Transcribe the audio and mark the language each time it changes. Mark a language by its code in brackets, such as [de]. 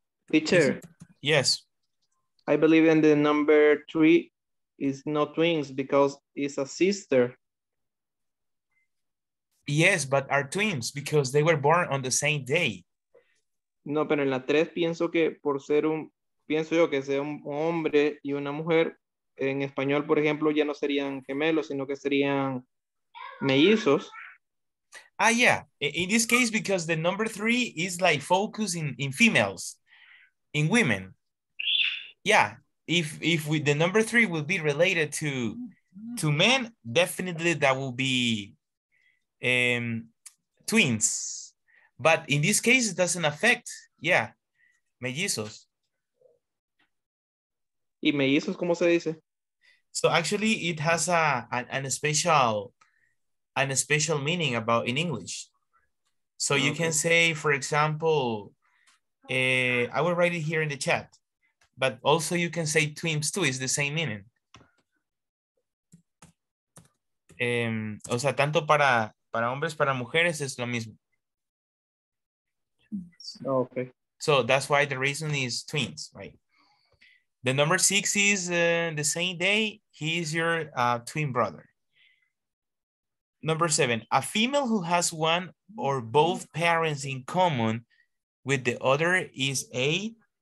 [en] Teacher. Yes. I believe in the number three is not twins because it's a sister. Yes, but are twins because they were born on the same day. [es] No, pero en la 3 pienso que por ser un, pienso yo que sea un hombre y una mujer, en español, por ejemplo, ya no serían gemelos, sino que serían mellizos. [en] Ah, yeah. In this case, because the number 3 is like focused in females, in women. Yeah, if we, the number 3 will be related to men, definitely that will be twins. But in this case, it doesn't affect, yeah, mellizos. [es] ¿Y mellizos cómo se dice? [en] So actually, it has a special meaning about in English. So okay. You can say, for example, I will write it here in the chat, but also you can say twins too, it's the same meaning. [es] O sea, tanto para hombres, para mujeres, es lo mismo. [en] Okay. So that's why the reason is twins, right? The number six is the same day. He is your twin brother. Number seven, a female who has one or both parents in common with the other is a